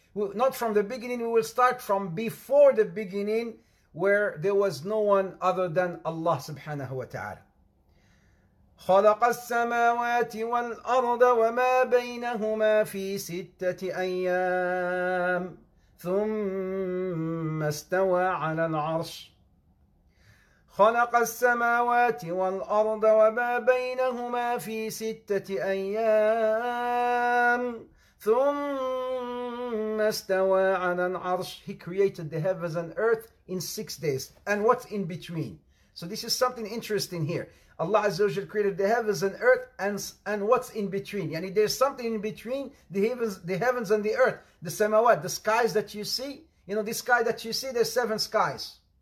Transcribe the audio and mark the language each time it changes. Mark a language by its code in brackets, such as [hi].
[en] Not from the beginning, we will start from before the beginning, where there was no one other than Allah subhanahu wa ta'ala. [ar] خلق السماوات والأرض وما بينهما في ستة أيام ثم استوى على العرش خلق السماوات والأرض وما بينهما في ستة أيام ثم استوى على العرش. [en] He created the heavens and earth in 6 days. And what's in between? So this is something interesting here. Allah Azza wa Jal created the heavens and earth and what's in between? Yani there's something in between the heavens and the earth. The samawat, the skies that you see. You know, this sky that you see, there's seven skies.